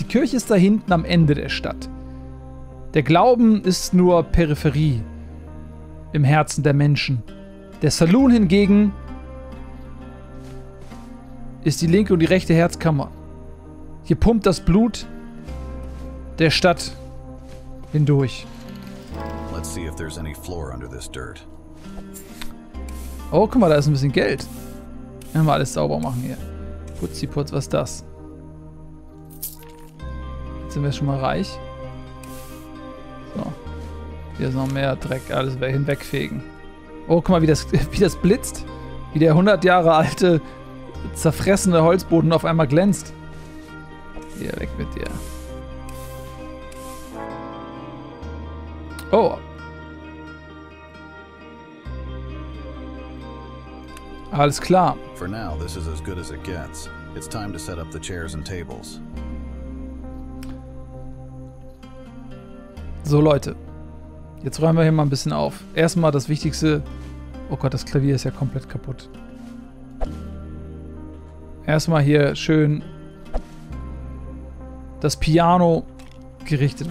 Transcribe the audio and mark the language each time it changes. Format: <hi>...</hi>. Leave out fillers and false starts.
<de>Die Kirche ist da hinten am Ende der Stadt. Der Glauben ist nur Peripherie im Herzen der Menschen. Der Saloon hingegen ist die linke und die rechte Herzkammer. Hier pumpt das Blut der Stadt hindurch.</de> <en>Let's see if there's any floor under this dirt.</en> <de>Oh, guck mal, da ist ein bisschen Geld. Wenn wir alles sauber machen hier. Putziputz, was ist das? Jetzt sind wir schon mal reich. So. Hier ist noch mehr Dreck, alles hinwegfegen. Oh, guck mal, wie das blitzt. Wie der 100 Jahre alte, zerfressene Holzboden auf einmal glänzt. Hier, weg mit dir. Oh. Alles klar.</de> <en>For now, this is as good as it gets. It's time to set up the chairs and tables.</en> <de>So, Leute. Jetzt räumen wir hier mal ein bisschen auf. Erstmal das Wichtigste. Oh Gott, das Klavier ist ja komplett kaputt. Erstmal hier schön das Piano gerichtet.</de>